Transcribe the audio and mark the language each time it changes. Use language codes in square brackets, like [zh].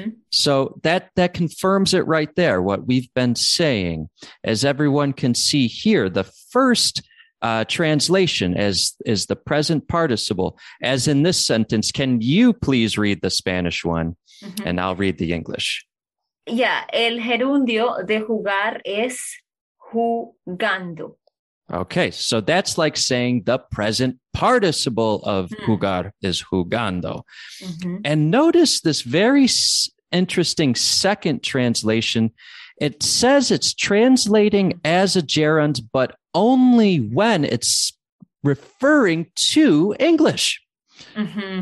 [en] So that confirms it right there, what we've been saying. As everyone can see here, the first translation is the present participle, as in this sentence. Can you please read the Spanish one? Mm-hmm. And I'll read the English. [es] Yeah, el gerundio de jugar es jugando. [en] Okay, so that's like saying the present participle of jugar is jugando. Mm-hmm. And notice this very interesting second translation. It says it's translating as a gerund, but only when it's referring to English. Mm-hmm.